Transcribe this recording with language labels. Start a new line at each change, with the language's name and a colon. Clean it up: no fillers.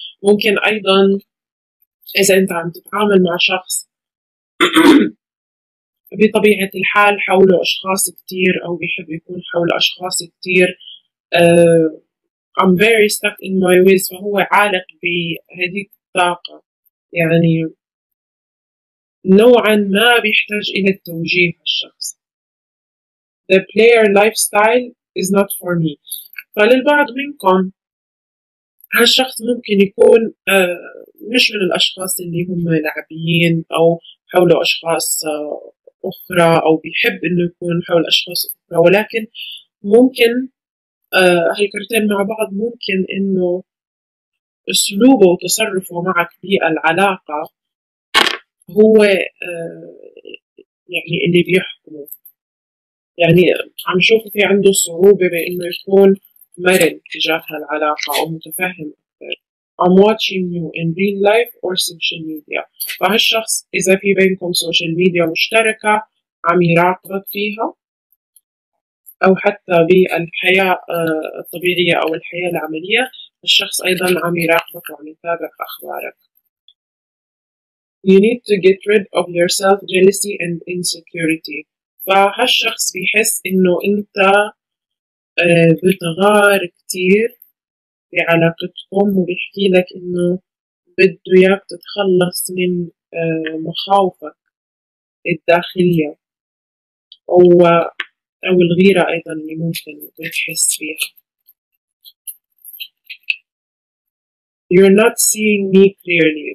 Arabic: ممكن أيضا إذا أنت عم تتعامل مع شخص بطبيعة الحال حوله أشخاص كتير، أو بيحب يكون حول أشخاص كتير،
English: I'm very stuck in my ways،
Arabic: فهو عالق بهذه الطاقة، يعني نوعا ما بيحتاج إلى التوجيه الشخص.
English: The player lifestyle is not for me.
Arabic: فللبعض منكم هالشخص ممكن يكون مش من الأشخاص اللي هم لعبيين، أو حوله أشخاص أخرى، أو بيحب إنه يكون حول أشخاص أخرى، ولكن ممكن هالكرتين مع بعض، ممكن إنه أسلوبه وتصرفه معك بالعلاقة هو يعني اللي بيحكمه. يعني عم شوف في عنده صعوبة بإنه يكون مرن تجاه العلاقة أو متفهم.
English: I'm watching you in real life or social media.
Arabic: فهالشخص إذا في بينكم سوشيال ميديا مشتركة عم يراقبك فيها، أو حتى بالحياة الطبيعية أو الحياة العملية، الشخص أيضا عم يراقبك وعم يتابع أخبارك.
English: You need to get rid of your self jealousy and insecurity.
Arabic: فهالشخص بيحس إنه أنت بتغار كتير في علاقتكم، وبيحكي لك إنه بده إياك تتخلص من مخاوفك الداخلية أو الغيرة أيضا اللي ممكن بتحس فيها.
English: You're not seeing me clearly.